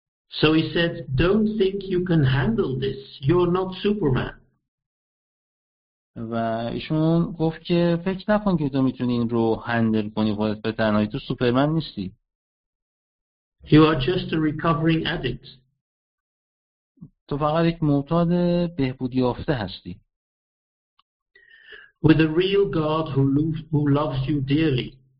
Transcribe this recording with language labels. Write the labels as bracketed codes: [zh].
[en] So he said, don't think you can handle this. You're not Superman. [fa] و ایشون گفت که فکر نکن که تو میتونی این رو هندل کنی خودت به تنهایی، تو سوپرمن نیستی. [en] You are just a recovering addict. [fa] تو فقط یک معتاد بهبودیافته هستی. [en] With a real God who loves you dearly.